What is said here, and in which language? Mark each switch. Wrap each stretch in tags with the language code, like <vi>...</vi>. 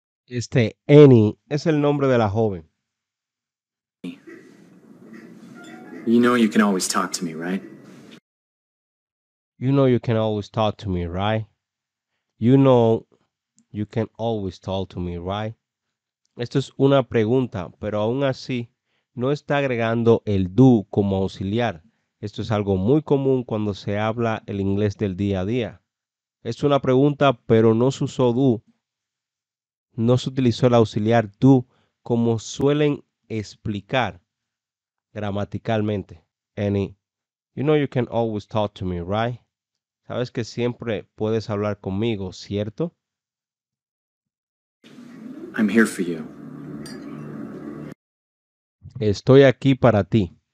<es>Este Annie es el nombre de la joven.</es> <en>You know you can always talk to me, right? You know you can always talk to me, right? You know you can always talk to me, right?</en> <es>Esto es una pregunta, pero aún así no está agregando el do como auxiliar. Esto es algo muy común cuando se habla el inglés del día a día. Es una pregunta, pero no se usó do. No se utilizó el auxiliar do como suelen explicar gramaticalmente.</es> <en>Annie, you know you can always talk to me, right?</en> <es>Sabes que siempre puedes hablar conmigo, ¿cierto?</es> <en>I'm here for you.</en> <es>Estoy aquí para ti.</es>